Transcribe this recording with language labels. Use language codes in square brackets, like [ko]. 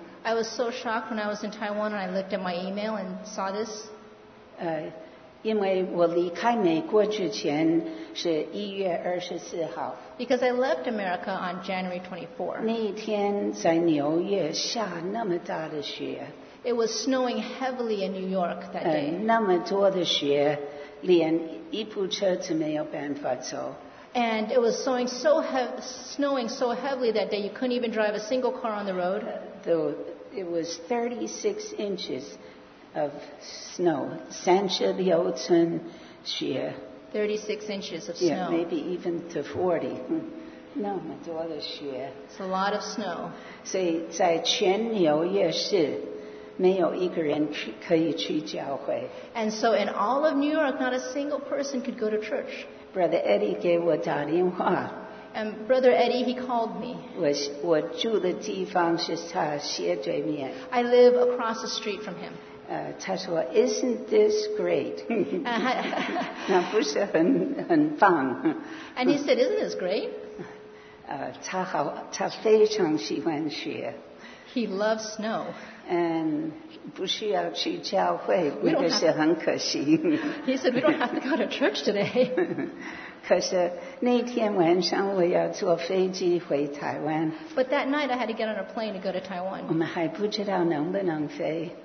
[en] I was so shocked when I was in Taiwan and I looked at my email and saw this. [zh] 因为我离开美国之前是1月24号。 [en] Because I left America on January 24. [zh] 那一天在纽约下那么大的雪。 [en] It was snowing heavily in New York that day. [zh] 那么多的雪，连一部车子没有办法走。 [en] And it was snowing so heavily that day you couldn't even drive a single car on the road. It was 36 inches of snow. [zh] 三十六寸雪。 [en] 36 inches of snow. Yeah, maybe even to 40. [zh] 那么多的雪。 [en] It's a lot of snow. [zh] 所以在全纽约市。没有一个人可以去教会。 [en] And so in all of New York, not a single person could go to church. [zh] Brother Eddie 给我打电话。 [en] And Brother Eddie, he called me. [zh] 我住的地方是他斜对面。 [en] I live across the street from him. [zh] 他说, [en] isn't this great? [zh] 那不是很棒。 [en] And he said, isn't this great? [zh] 他非常喜欢雪。 [en] He loves snow. [zh] And 不需要去教会，那个是很可惜。 [en] He said, we don't have to go to church today. [zh] 可是那天晚上我要坐飞机回台湾。 [en] But that night I had to get on a plane to go to Taiwan. [zh] 我们还不知道能不能飞。